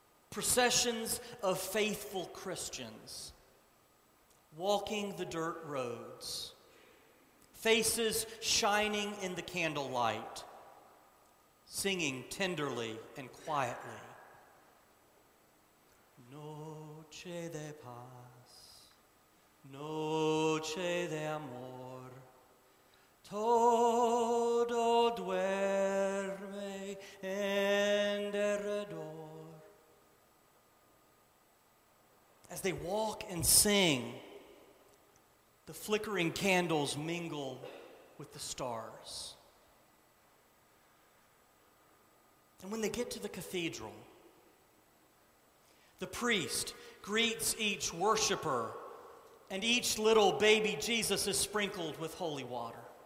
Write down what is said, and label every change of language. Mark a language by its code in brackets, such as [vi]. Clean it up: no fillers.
[en] Processions of faithful Christians walking the dirt roads, faces shining in the candlelight, singing tenderly and quietly. [es] Noche de paz, noche de amor, todo duerme en derredor. [en] As they walk and sing, the flickering candles mingle with the stars. And when they get to the cathedral, the priest greets each worshiper, and each little baby Jesus is sprinkled with holy water.